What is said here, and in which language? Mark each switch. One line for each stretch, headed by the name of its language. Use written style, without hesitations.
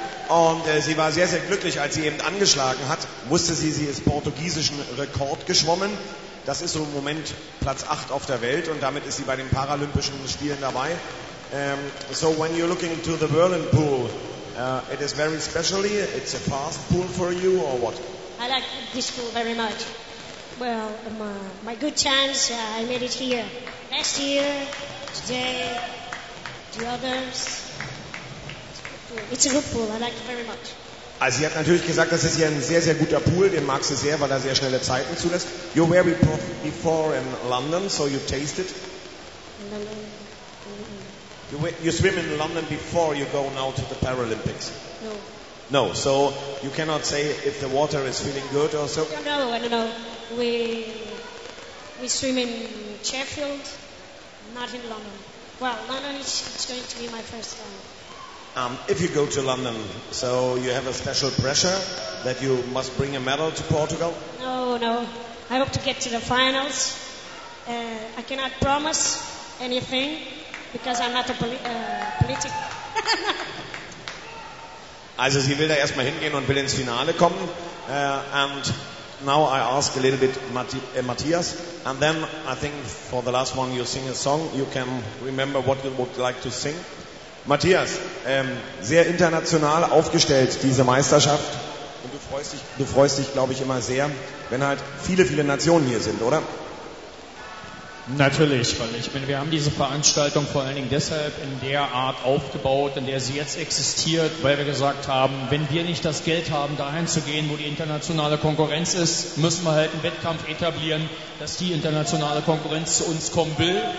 German: Und sie war sehr, sehr glücklich, als sie eben angeschlagen hat, wusste sie, sie ist portugiesischen Rekord geschwommen. Das ist so im Moment Platz 8 auf der Welt und damit ist sie bei den Paralympischen Spielen dabei.
English: So when you're looking into the Berlin pool, it is very specially, it's a fast pool for you or what? I like this pool very much. Well, my good chance, I made it here. Last year, today, the others. It's a good pool, I like it very much.
German: Also sie hat natürlich gesagt, das ist hier ein sehr, sehr guter Pool, den magst du sehr, weil er sehr schnelle Zeiten zulässt.
English: You were before in London, so you tasted. London. You swim in London before you go now to the Paralympics? No. No, so you cannot say if the water is feeling good or so? No. We swim in Sheffield, not in London. Well, London is going to be my first time. If you go to London, so you have a special pressure that you must bring a medal to Portugal? No. I hope to get to the finals. I cannot promise anything. Because I'm not a political.
German: Also sie will da erstmal hingehen und will ins Finale kommen.
English: And now I ask a little bit Matthias. And then I think for the last one you sing a song. You can remember what you would like to sing.
German: Matthias, sehr international aufgestellt diese Meisterschaft. Und du freust dich glaube ich immer sehr, wenn halt viele, viele Nationen hier sind, oder? Natürlich, weil ich bin, wir haben diese Veranstaltung vor allen Dingen deshalb in der Art aufgebaut, in der sie jetzt existiert, weil wir gesagt haben, wenn wir nicht das Geld haben, dahin zu gehen, wo die internationale Konkurrenz ist, müssen wir halt einen Wettkampf etablieren, dass die internationale Konkurrenz zu uns kommen will.